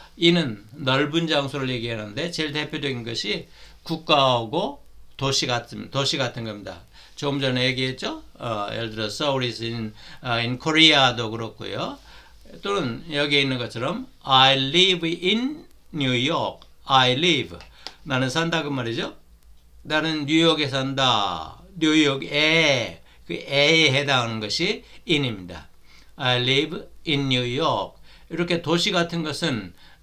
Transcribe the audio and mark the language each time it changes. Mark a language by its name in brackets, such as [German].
[Korean] in은 넓은 장소를 얘기하는데 제일 대표적인 것이 국가하고 도시 같은 겁니다. 조금 전에 얘기했죠? 예를 들어 [English] Seoul is in Korea [Korean] 도 그렇고요. 또는 여기에 있는 것처럼 [English] I live in New York. I live. [Korean] 나는 산다 그 말이죠? 나는 뉴욕에 산다. 뉴욕에 그 에에 해당하는 것이 in입니다. [English] I live in New York. [Korean] 이렇게 도시 같은 것은